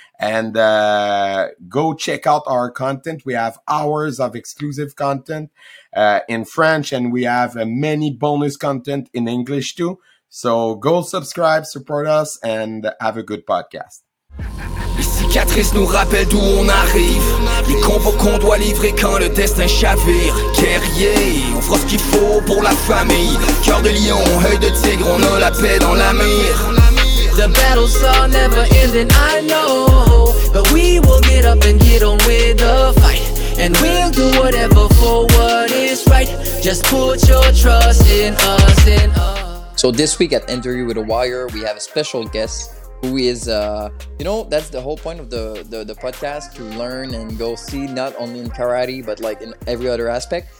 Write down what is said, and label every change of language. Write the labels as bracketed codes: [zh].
[en] And go check out our content. We have hours of exclusive content in French, and we have many bonus content in English too. So go subscribe, support us, and have a good podcast. [fr] Cicatrices nous rappellent d'où on arrive. Les combos qu'on doit livrer quand le destin chavire. Guerrier, on fera ce qu'il faut pour la famille. Cœur de lion, œil de tigre, on a la paix dans la mire. [en] The battles are never ending, I know. But we will get up and get on with the fight. And we'll do whatever for what is right. Just put your trust in us, in us. So this week at Interview with a Wire, we have a special guest. Who is, you know, that's the whole point of the podcast, to learn and go see, not only in karate, but like in every other aspect.